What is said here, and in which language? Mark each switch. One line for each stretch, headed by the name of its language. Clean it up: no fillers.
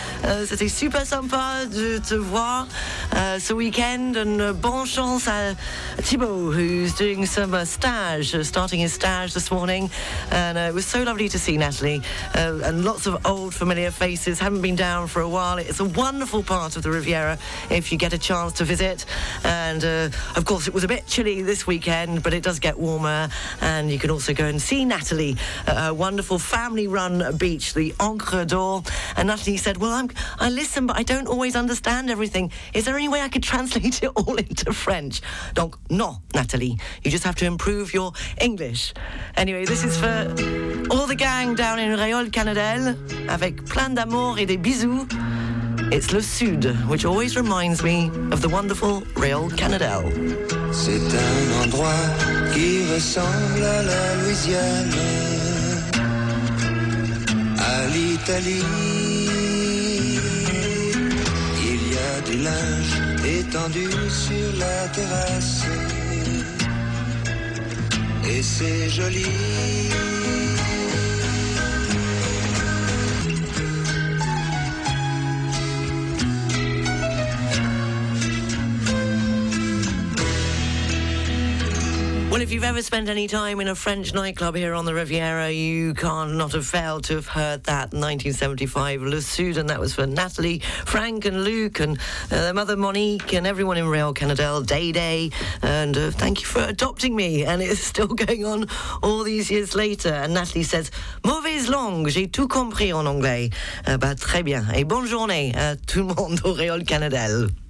French: C'était super sympa de te voir ce weekend.
English: And
French: bon chance
English: à Thibaut, who's doing some starting his stage this morning. And it was so lovely to see Nathalie. And lots of old familiar faces. Haven't been down for a while. It's a wonderful part of the Riviera if you get a chance to visit. And of course it was a bit chilly this weekend, but it does get warmer, and you can also go and see Nathalie at her wonderful family-run beach, the Ancre d'Or. And Nathalie said, well, I listen, but I don't always understand everything. Is there any way I could translate it all into French?
French: Donc non,
English: Nathalie, you just have to improve your English. Anyway, this is for all the gang down in Rayol Canadelle,
French: avec plein d'amour et des bisous.
English: It's Le Sud, which always reminds me of the wonderful Rayol Canadelle.
French: C'est un endroit qui ressemble à la Louisiane, à l'Italie. Il y a du linge étendu sur la terrasse, et c'est joli.
English: Well, if you've ever spent any time in a French nightclub here on the Riviera, you can't not have failed to have heard that 1975 Le Sud, and that was for Nathalie, Frank and Luke and their mother Monique and everyone in Rayol Canadelle, Day-Day, and thank you for adopting me, and it's still going on all these years later. And Nathalie says,
French: mauvaise langue, j'ai tout compris en anglais. Bah, très bien, et bonne journée à tout le monde au Rayol Canadelle.